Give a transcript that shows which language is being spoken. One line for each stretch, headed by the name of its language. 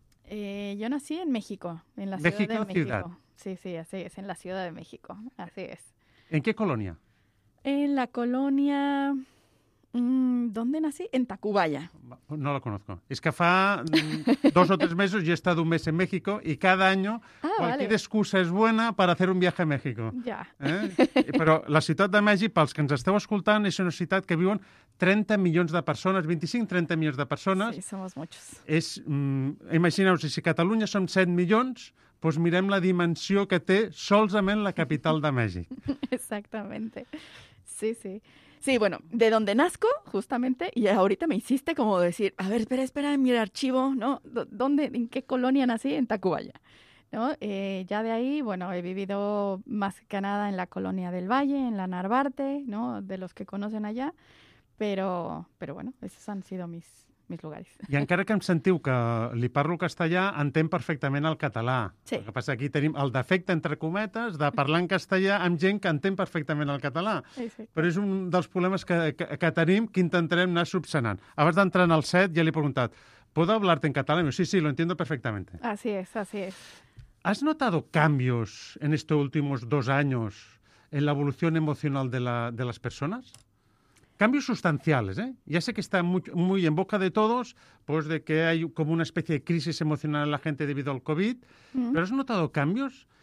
Spanish: Yo nací en México, en la ciudad de México. Sí, así es, en la Ciudad de México, así es. ¿En qué colonia? En la colonia... ¿dónde nací? En Tacubaya. No la conozco. Es que fa dos o tres meses, yo he estado un mes en México, y cada año cualquier excusa es buena para hacer un viaje a México. Ya.
Catalan: Pero la Ciutat de Mèxic, pels que ens esteu escoltant, és una ciutat que viuen 30 milions de persones, 25-30 milions de persones.
Spanish: Sí, somos muchos.
Catalan: Imagineu-vos, si Catalunya som 7 milions, doncs mirem la dimensió que té solament la capital de Mèxic.
Spanish: Exactamente. Sí. Sí, bueno, de donde nazco, justamente, y ahorita me hiciste como decir, a ver, espera, en mi archivo, ¿no? ¿Dónde, en qué colonia nací? En Tacubaya, ¿no? Ya de ahí, bueno, he vivido más que nada en la colonia del Valle, en la Narvarte, ¿no? De los que conocen allá, pero bueno, esos han sido mis lugares.
Catalan: I encara que em sentiu que li parlo castellà, entenc perfectament el català. Sí. El que passa, aquí tenim el defecte, entre cometes, de parlar en castellà amb gent que entén perfectament el català. Sí. Però és un dels problemes que tenim, que intentarem anar subsanant. Abans d'entrar en el set, ja li he preguntat,
Spanish: ¿puedo hablarte en català? Sí, lo entiendo perfectamente. Así es. ¿Has notado cambios en estos últimos dos años en la evolución emocional de las personas? Cambios sustanciales, ¿eh? Ya sé que está muy en boca de todos, pues de que hay como una especie de crisis emocional en la gente debido al COVID, pero ¿has notado cambios?